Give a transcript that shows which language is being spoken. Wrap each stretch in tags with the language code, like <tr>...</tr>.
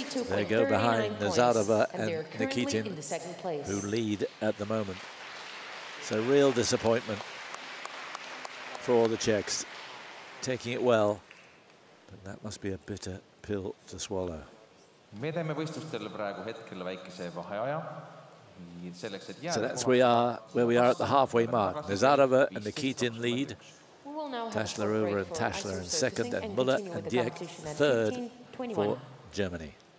<en>They go behind Nazarova and Nikitin, who lead at the moment. So real disappointment for all the Czechs. Taking it well. But that must be a bitter pill to swallow.</en> <et>Me teeme võistlustel praegu hetkel väikese vaheaja.</et> <en>So that's where we are at the halfway mark. Nazarova and Nikitin lead. Tashlerova and Tashler in second, and Müller and Dieck third for Germany.</en>